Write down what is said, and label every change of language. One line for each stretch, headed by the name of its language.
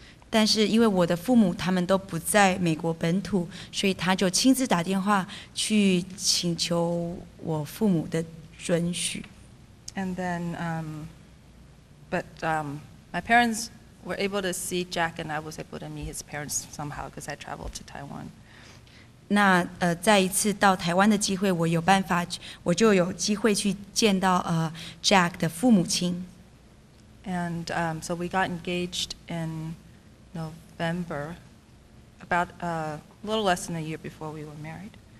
Chinese: 但是因为我的父母他们都不在美国本土，所以他就亲自打电话去请求我父母的准许。
English: And then, my parents were able to see Jack, and I was able to meet his parents somehow because I traveled to Taiwan.
Chinese: 那再一次到台湾的机会，我有办法，我就有机会去见到Jack 的父母亲。
English: And so we got engaged in November, about a little less than a year before we were married.